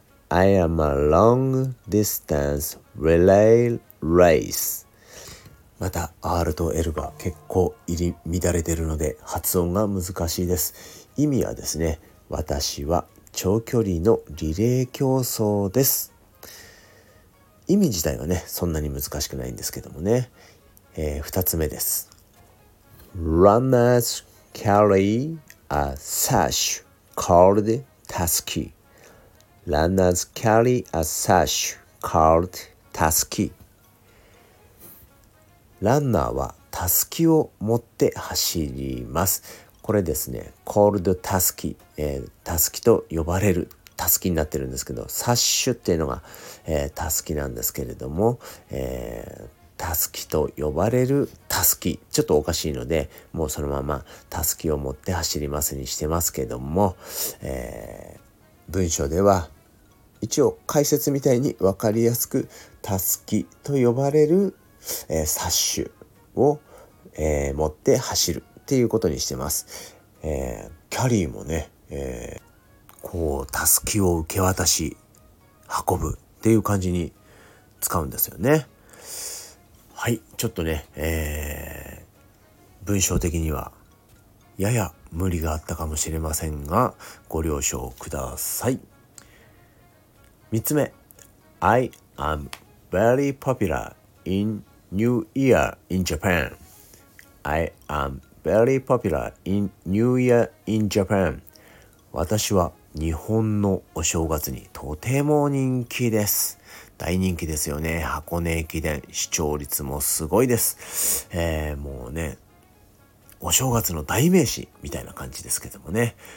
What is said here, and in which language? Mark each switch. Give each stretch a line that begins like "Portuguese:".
English: I am a long distance relay race.
Japanese: また R と L が結構入り乱れているので発音が難しいです。意味はですね、私は長距離のリレー競争です。意味自体はね、そんなに難しくないんですけどもね。 2つ目です。
English: Runners carry a sash called tusky. Runners carry a sash called tusky.
Japanese: ランナーはタスキを持って走ります。これですね、
English: called tusky、
Japanese: タスキと呼ばれるタスキになってるんですけど、サッシュっていうのが、タスキなんですけれども、タスキと呼ばれるタスキ、ちょっとおかしいのでもうそのままタスキを持って走りますにしてますけども、文章では一応解説みたいに分かりやすくタスキと呼ばれる、サッシュを、持って走るっていうことにしてます。キャリーもね、こうタスキを受け渡し運ぶっていう感じに使うんですよね。はい、ちょっとね、文章的にはやや無理があったかもしれませんが、ご了承ください。 3つ目、
English: I am very popular in New Year in Japan. I am very popular in New Year in Japan.
Japanese: 私は日本のお正月にとても人気です。大人気ですよね。箱根駅伝視聴率もすごいです。もうね、お正月の代名詞みたいな感じですけどもね。